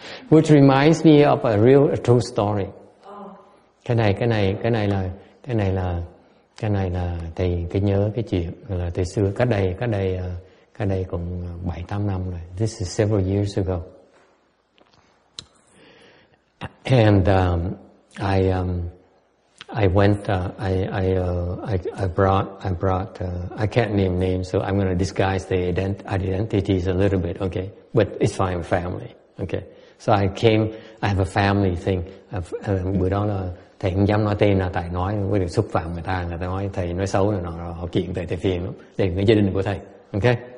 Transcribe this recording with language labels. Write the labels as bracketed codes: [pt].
[en] Which reminds me of a real a true story. [vi] Cái này là thầy cái nhớ cái chuyện là từ xưa cách đây cũng 7-8 năm rồi. [en] This is several years ago. And I can't name names, so I'm going to disguise the identities a little bit, okay? But it's fine, family, okay? So I came, I have a family thing. [vi] Bữa đó là thầy không dám nói tên là tại nói với được xúc phạm người ta nói thầy nói xấu rồi nọ, họ kiện thầy phiền lắm. Đây là người gia đình của thầy, okay?